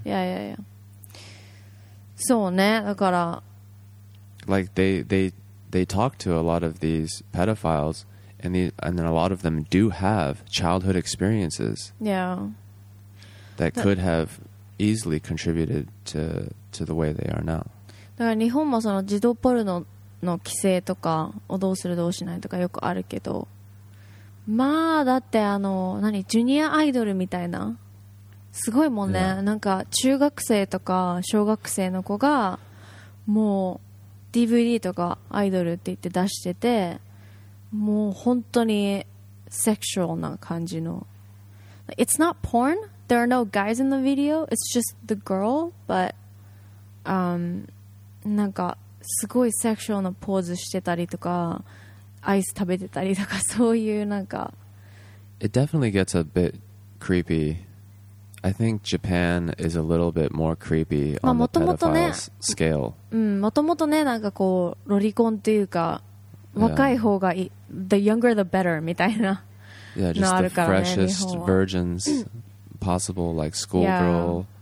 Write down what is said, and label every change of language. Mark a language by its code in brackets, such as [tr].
[en] Yeah. [ja] そうね、だから [en] Like, they talk to a lot of these pedophiles, and then a lot of them do have childhood experiences. Yeah. That could have easily contributed to the way they are now. [ja] だから日本もその児童ポルノの規制とかをどうするどうしないとかよくあるけど、まあだってあの何ジュニアアイドルみたいなすごいもんね。なんか中学生とか小学生の子がもう DVD とかアイドルって言って出してて、もう本当に [en] sexual [ja] な感じの。 [en] It's not porn. There are no guys in the video. It's just the girl. But, [ja] なんかすごいセクシュアルなポーズしてたりとか、アイス食べてたりとか、そういうなんか。 [en] It definitely gets a bit creepy. I think Japan is a little bit more creepy on the pedophile scale. [ja] もともとね、なんかこうロリコンっていうか、若い方がいい、 [en] the younger the better [ja] みたいな。 [en] Yeah, just the freshest virgins possible, like schoolgirl.